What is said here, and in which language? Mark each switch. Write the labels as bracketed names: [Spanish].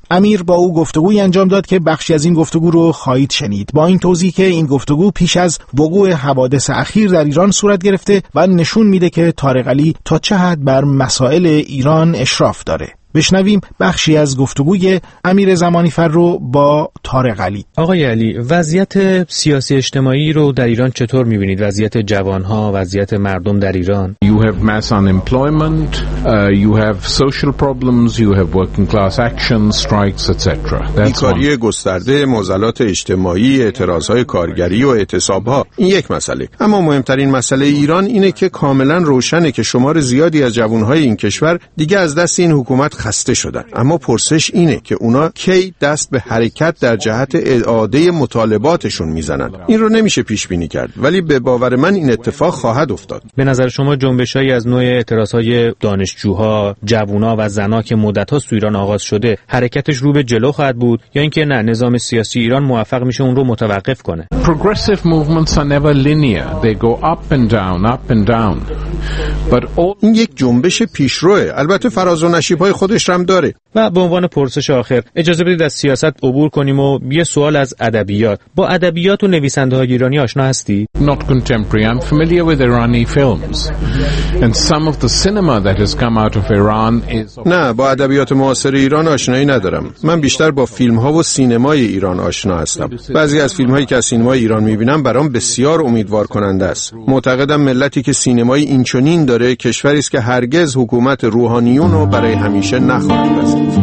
[Persian] امیر با او گفتگویی انجام داد که بخشی از این گفتگو رو خواهید شنید، با این توضیح که این گفتگو پیش از وقوع حوادث اخیر در ایران صورت گرفته و نشون میده که طارق علی تا چه حد بر مسائل ایران اشراف داره. بشنویم بخشی از گفتگوی امیر زمانی فر رو با طارق علی. آقای علی، وضعیت سیاسی اجتماعی رو در ایران چطور می‌بینید؟ وضعیت جوان‌ها، وضعیت مردم در ایران؟ [English] You have mass unemployment, you have social problems, you have working class actions, strikes, etc. [Persian] بیکاری گسترده، معضلات اجتماعی، اعتراض‌های کارگری و اعتصاب‌ها، این یک مسئله. اما مهمترین مسئله ایران اینه که کاملاً روشنه که شمار زیادی از جوان‌های این کشور دیگه از دست این حکومت خسته شدن. اما پرسش اینه که اونا کی دست به حرکت در جهت اعاده مطالباتشون میزنن. این رو نمیشه پیش بینی کرد، ولی به باور من این اتفاق خواهد افتاد. به نظر شما جنبشایی از نوع اعتراضهای دانشجوها، جوونا و زنا که مدت‌ها تو ایران آغاز شده، حرکتش رو به جلو خواهد بود یا اینکه نه نظام سیاسی ایران موفق میشه اون رو متوقف کنه؟ [English] Progressive movements are never linear. They go up and down, up and down. But [Persian] این یک جنبش پیشروه، البته فراز و نشیب‌های خودش هم داره. و به عنوان پرسش آخر، اجازه بدید از سیاست عبور کنیم و یه سوال از ادبیات. با ادبیات و نویسنده‌های ایرانی آشنا هستی؟ [English] Not contemporary. I'm familiar with Iranian films. And some of the cinema that has come out of Iran is [Persian] نه، با ادبیات معاصر ایران آشنایی ندارم. من بیشتر با فیلم‌ها و سینمای ایران آشنا هستم. بعضی از فیلم‌هایی که از سینمای ایران می‌بینم برام بسیار امیدوارکننده است. معتقدم ملتی که سینمای اینچنین داره، کشوری است که هرگز حکومت روحانیون رو برای همیشه نخواهد بست.